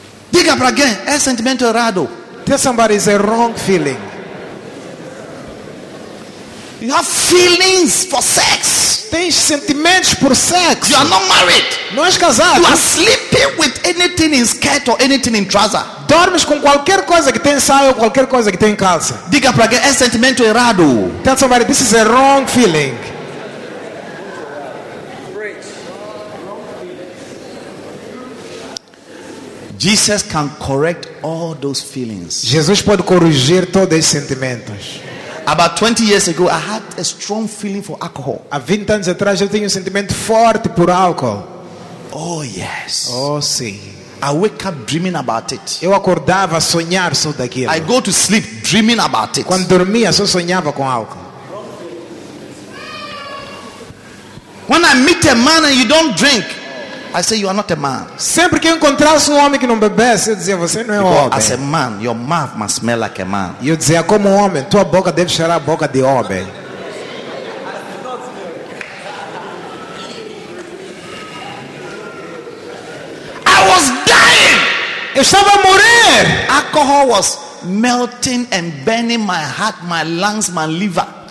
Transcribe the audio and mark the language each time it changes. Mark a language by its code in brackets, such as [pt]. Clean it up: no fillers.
[pt] Diga para alguém, é sentimento errado. [en] Tell somebody it's a wrong feeling. You have feelings for sex. [pt] Tens sentimentos por sexo. [en] You are not married. [pt] Não és casado. [en] You are sleeping with anything in skirt or anything in trouser. [pt] Dormes com qualquer coisa que tem saia ou qualquer coisa que tem calça. Diga para alguém, é sentimento errado. [en] Tell somebody, this is a wrong feeling. Jesus can correct all those feelings. [pt] Jesus pode corrigir todos esses sentimentos. [en] About 20 years ago, I had a strong feeling for alcohol. [pt] Há 20 anos atrás, eu tinha sentimento forte por álcool. [en] Oh, yes. [pt] Oh, sim. [en] I wake up dreaming about it. [pt] Eu acordava a sonhar sobre aquilo. [en] I go to sleep dreaming about it. [pt] Quando dormia, só sonhava com algo. [en] When I meet a man and you don't drink, I say you are not a man. [pt] Sempre que encontrasse homem que não bebesse, eu dizia você não é homem. [en] As a man, your mouth must smell like a man. [pt] Eu dizia como homem, tua boca deve cheirar a boca de homem. [en] I was dying. [pt] Eu estava a morrer. [en] Alcohol was melting and burning my heart, my lungs, my liver.